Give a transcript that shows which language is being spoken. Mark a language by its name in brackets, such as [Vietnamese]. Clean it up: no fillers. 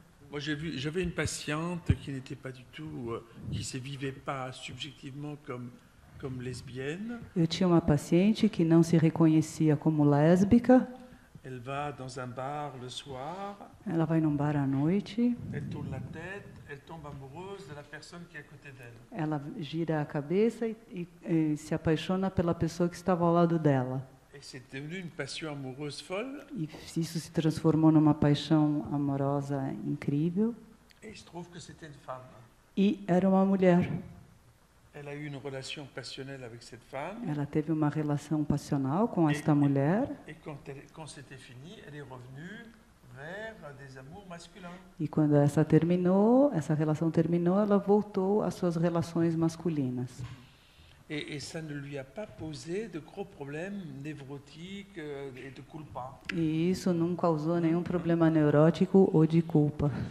[French] Moi j'avais une patiente qui n'était pas du tout qui se vivait pas subjectivement comme lesbienne. [Portuguese] Eu tinha uma paciente que não se reconhecia como lésbica. [French] Elle va dans un bar le soir. [Portuguese] Ela vai num bar à noite. [French] Elle tourne la tête, elle tombe amoureuse de la personne qui est à côté d'elle. [Portuguese] Ela gira a cabeça e se apaixona pela pessoa que estava ao lado dela. [French] Et c'est devenu une passion amoureuse folle. [Portuguese] E isso se transformou numa paixão amorosa incrível. [French] Et il se trouve que c'était une femme. [Portuguese] E era uma mulher. [French] Elle a eu une relation passionnelle avec cette femme. [Portuguese] Ela teve uma relação passional com esta mulher. [French] Et quand c'était fini, elle est revenue vers des amours masculins. [Portuguese] E quando essa relação terminou, ela voltou às suas relações masculinas. [French] Et ça ne lui a pas posé de gros problèmes névrotiques et de culpa. [Portuguese] E isso não causou nenhum problema neurótico ou de culpa.